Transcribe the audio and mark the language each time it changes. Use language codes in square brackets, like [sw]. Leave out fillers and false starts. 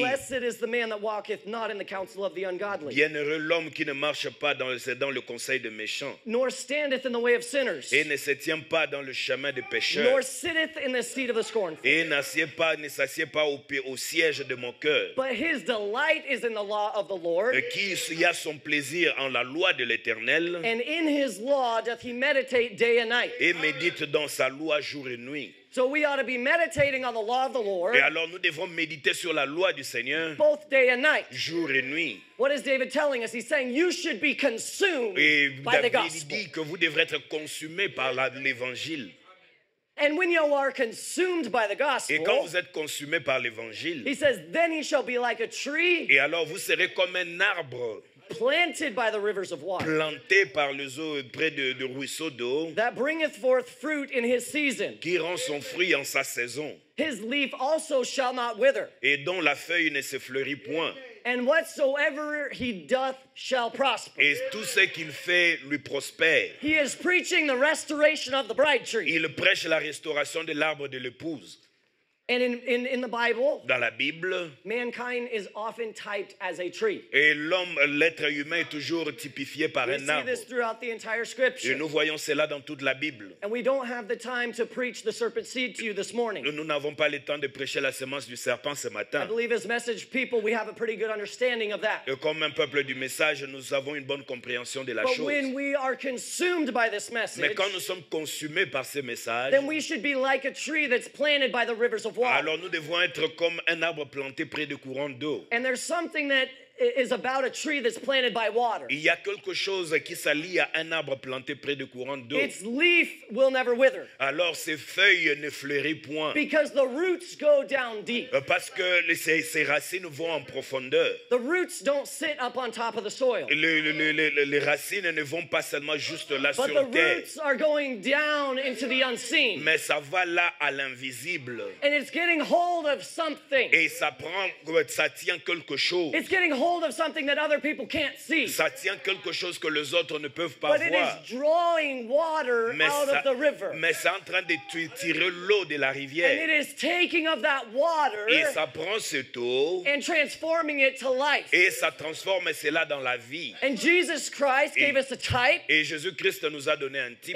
[en] blessed is the man that walketh not in the counsel of the ungodly. [fr] Bienheureux l'homme qui ne marche pas dans le conseil des méchants. [en] Nor standeth in the way of sinners. [fr] Et ne se tient pas dans le chemin des pécheurs. [en] Nor sitteth in the seat of the scornful. [fr] Et ne s'assied pas au siège de moqueur. [en] But his delight is in the law of the Lord. [fr] Et qui y a son plaisir en la loi de l'Éternel. [en] And in his law doth he meditate day and night. [fr] Et médite dans sa loi jour et nuit. [en] So we ought to be meditating on the law of the Lord. [fr] Et alors nous devons méditer sur la loi du Seigneur. [en] Both day and night. [fr] Jour et nuit. [en] What is David telling us? He's saying you should be consumed [fr] et [en] by David the gospel. [fr] Dit que vous devrez être consumé par l'évangile. [en] And when you are consumed by the gospel. [fr] Et quand vous êtes consumé par l'évangile. [en] He says then he shall be like a tree. [fr] Et alors vous serez comme un arbre. [en] Planted by the rivers of water. [fr] Planté par les eaux près de ruisseaux d'eau. [en] That bringeth forth fruit in his season. [fr] Qui rend son fruit en sa saison. [en] His leaf also shall not wither. [fr] Et dont la feuille ne se fleurit point. [en] And whatsoever he doth shall prosper. [fr] Et tout ce qu'il fait lui prospère. [en] He is preaching the restoration of the bride tree. [fr] Il prêche la restauration de l'arbre de l'épouse. [en] And in the Bible, [fr] dans la Bible, [en] mankind is often typed as a tree. [fr] Et l'homme, l'être humain est toujours typifié par un arbre. [en] We see this throughout the entire scripture. [fr] Et nous voyons cela dans toute la Bible. [en] And we don't have the time to preach the serpent seed to you this morning. [fr] Nous n'avons pas le temps de prêcher la semence du serpent ce matin. [en] I believe as message people, we have a pretty good understanding of that. [fr] Et comme un peuple du message, nous avons une bonne compréhension de la [en] but [fr] chose. [en] But when we are consumed by this message, [fr] mais quand nous sommes consumés par ce message, [en] then we should be like a tree that's planted by the rivers of [fr] alors nous devons être comme un arbre planté près de courants d'eau. [en] And there's something that is about a tree that's planted by water. [fr] Il y a quelque chose qui s'allie à un arbre planté près de courants d'eau. [en] Its leaf will never wither. [fr] Alors ses feuilles ne fleurissent point. [en] Because the roots go down deep. [fr] Parce que ses racines vont en profondeur. [en] The roots don't sit up on top of the soil. [fr] Les racines ne vont pas seulement juste là [en] but [fr] sur terre. [en] But the roots are going down into the unseen. [fr] Mais ça va là à l'invisible. [en] And it's getting hold of something. [fr] Et ça tient quelque chose. [en] It's getting hold hold of something that other people can't see. [fr] Ça tient quelque chose que les autres ne peuvent pas [en] but [fr] voir. [en] But it is drawing water out of the river. [fr] Mais c'est en train de tirer l'eau de la rivière. [en] And it is taking of that water. [fr] Et ça prend cette eau. [en] And transforming it to life. [fr] Et ça transforme cela dans la vie. [en] And Jesus Christ gave us a type. [fr] Et Jésus-Christ nous a donné un type.